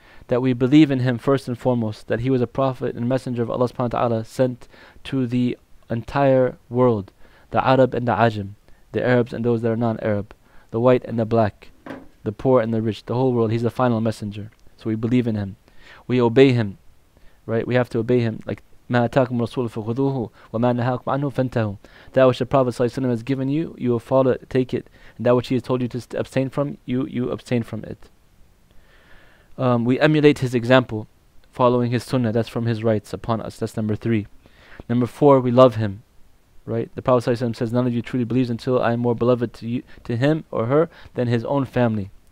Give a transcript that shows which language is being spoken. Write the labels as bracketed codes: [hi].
[en] that we believe in him first and foremost, that he was a prophet and messenger of Allah subhanahu wa ta'ala sent to the entire world, the Arab and the Ajam, the Arabs and those that are non-Arab, the white and the black, the poor and the rich, the whole world. He's the final messenger. So we believe in him. We obey him, right? We have to obey him. [ar] Like, مَا أَتَاكُمْ رَسُولُ فَخُذُوهُ وَمَا نَهَاكُمْ عَنْهُ فَانْتَهُ. [en] That which the Prophet ﷺ has given you, you will follow it, take it. And that which he has told you to abstain from, you abstain from it. We emulate his example, following his sunnah. That's from his rights upon us. That's number three. Number four, we love him, right? The Prophet ﷺ says, none of you truly believes until I am more beloved to you, to him or her than his own family.